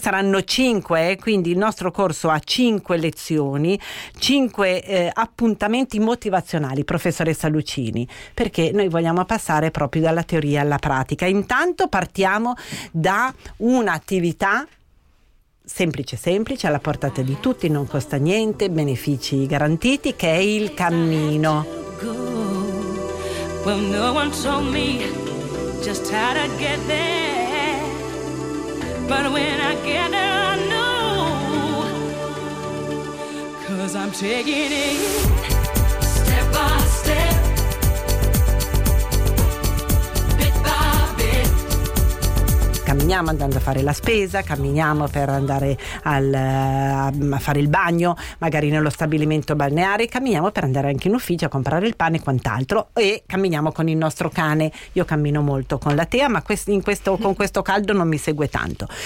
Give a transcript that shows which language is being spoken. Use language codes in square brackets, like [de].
[it] Saranno cinque, quindi il nostro corso ha cinque lezioni, cinque appuntamenti motivazionali, professoressa Lucini, perché noi vogliamo passare proprio dalla teoria alla pratica. Intanto partiamo da un'attività semplice, alla portata di tutti, non costa niente, benefici garantiti, che è il cammino. [en] Well, no one told me just how to get there, but when I get there, I know, 'cause I'm taking it step by step. [it] Camminiamo andando a fare la spesa, camminiamo per andare a fare il bagno, magari nello stabilimento balneare, camminiamo per andare anche in ufficio a comprare il pane e quant'altro, e camminiamo con il nostro cane. Io cammino molto con la Tea, ma con questo caldo non mi segue tanto.